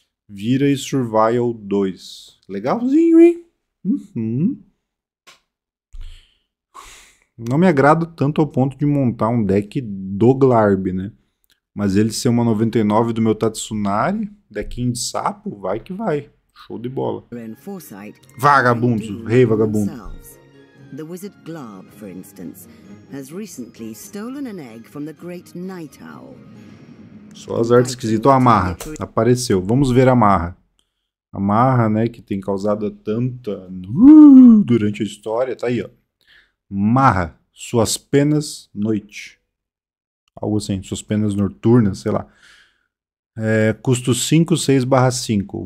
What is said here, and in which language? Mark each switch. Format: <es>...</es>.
<pt>Vira e Survival 2. Legalzinho, hein? Uhum. Não me agrada tanto ao ponto de montar um deck do Glarb, né? Mas ele ser uma 99 do meu Tatsunari, dequinho de sapo, vai que vai. Show de bola. Vagabundos, rei vagabundo.</pt> <en>The Wizard Glob, for instance, has recently stolen an egg from the great Night Owl.</en> <pt>Só as artes esquisitas. Oh, a Marra apareceu. Vamos ver a Marra. A Marra, né, que tem causado tanta durante a história. Tá aí, ó. Marra, suas penas noite. Algo assim, suas penas noturnas, sei lá. É, custo 5/6/5.</pt>